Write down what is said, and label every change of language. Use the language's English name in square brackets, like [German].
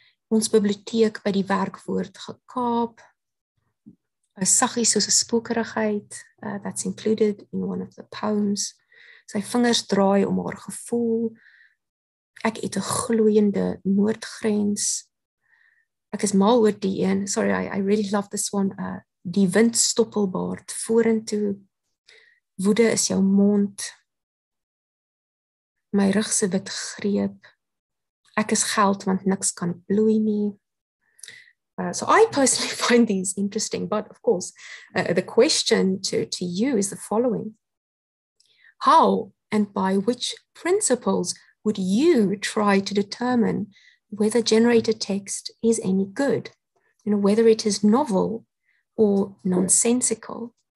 [Afrikaans] Ons biblioteek by die werkwoord gekaap. Saggie soos 'n spookerigheid, [English] that's included in one of the poems. [Afrikaans] Sy vingers draai om haar gevoel. Ek het 'n gloeiende noordgrens. Ek is mal oor die een. [English] Sorry, I really love this one. [Afrikaans] Die wind stoppel baard vorentoe. Woede is jou mond. My rug se wit greep. Ek is geld want niks kan bloei nie. [English] So I personally find these interesting, but of course, the question to you is the following. How and by which principles would you try to determine whether generated text is any good, you know, whether it is novel or nonsensical?